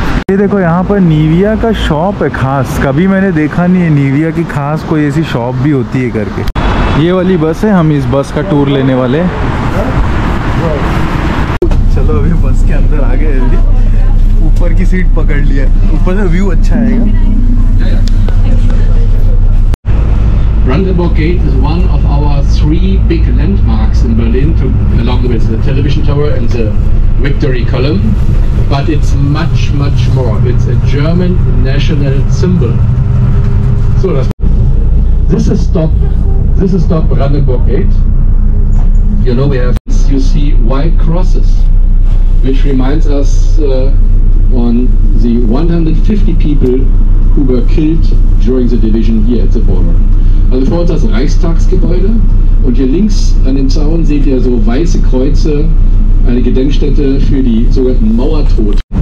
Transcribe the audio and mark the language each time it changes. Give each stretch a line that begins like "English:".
Hindi: ये देखो यहाँ पर निविया का शॉप है खास, कभी मैंने देखा नहीं है निविया की खास कोई ऐसी शॉप भी होती है करके. ये वाली बस है, हम इस बस का टूर लेने वाले. चलो अभी बस के अंदर आ गए जल्दी ऊपर की सीट पकड़ लिया ऊपर से व्यू अच्छा आएगा.
English: Brandenburg Gate is one of our three big landmarks in Berlin, to, along with the television tower and the Victory Column. But it's much, much more. It's a German national symbol. So this is stop Brandenburg Gate. You know, we have, you see, white crosses, which reminds us on the 150 people who were killed during the division here at the border.
German: Also vor uns das Reichstagsgebäude und hier links an den Zaun seht ihr so weiße Kreuze, eine Gedenkstätte für die sogenannten Mauertoten.